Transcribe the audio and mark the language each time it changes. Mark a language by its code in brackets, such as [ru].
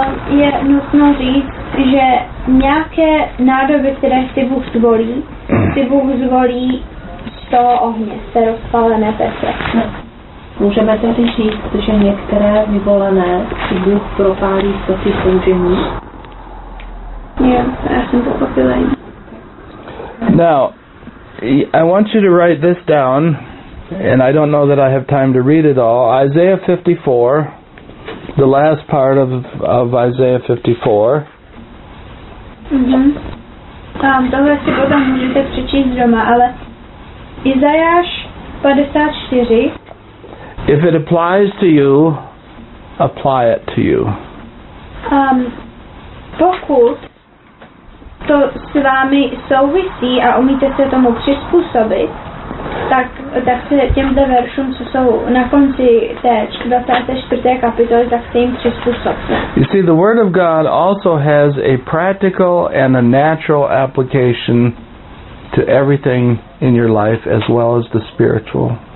[cs] Je nutno říct, že nějaké nádoby, které si Bůh zvolí, si Bůh zvolí z toho ohně, z té rozpálené peče. Můžeme tedy říct, že některé vyvolené si Bůh propálí z toho soužení? Já jsem to pochopila. [en] Now, I want you to write this down, and I don't know that I have time to read it all. Isaiah 54, the last part of Isaiah 54. Mm-hmm. [cs] Tohle si potom můžete přečíst doma, ale Izajáš 54. [en] If it applies to you, apply it to you. [cs] Pokud to s vámi souvisí a umíte se tomu přizpůsobit, tak se těmto veršům, co jsou na konci té 24. kapitoly, tak se jim přizpůsobte. [en] You see, the word of God also has a practical and a natural application to everything in your life as well as the spiritual.